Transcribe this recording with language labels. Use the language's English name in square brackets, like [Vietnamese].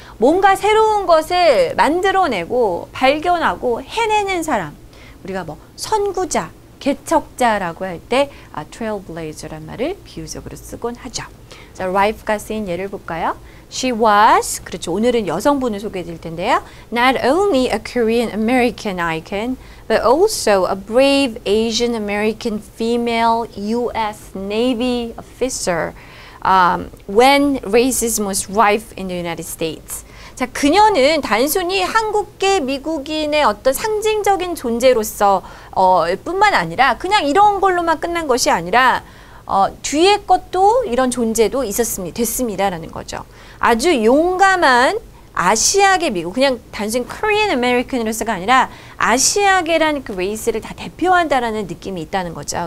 [Korean] 뭔가 새로운 것을 만들어내고 발견하고 해내는 사람. 우리가 뭐 선구자, 개척자라고 할 때 trailblazer란 말을 비유적으로 쓰곤 하죠. 자, rife가 쓰인 예를 볼까요? [English] She was, [Korean] 그렇죠. 오늘은 여성분을 소개해 드릴 텐데요. [English] Not only a Korean American icon, but also a brave Asian American female US Navy officer when racism was rife in the United States. [Korean] 자, 그녀는 단순히 한국계 미국인의 어떤 상징적인 존재로서 뿐만 아니라 그냥 이런 걸로만 끝난 것이 아니라 뒤에 것도 이런 존재도 있었습니다. 됐습니다라는 거죠. 아주 용감한 아시아계 미국, 그냥 단순히 Korean American으로서가 아니라 아시아계라는 그 레이스를 다 대표한다라는 느낌이 있다는 거죠.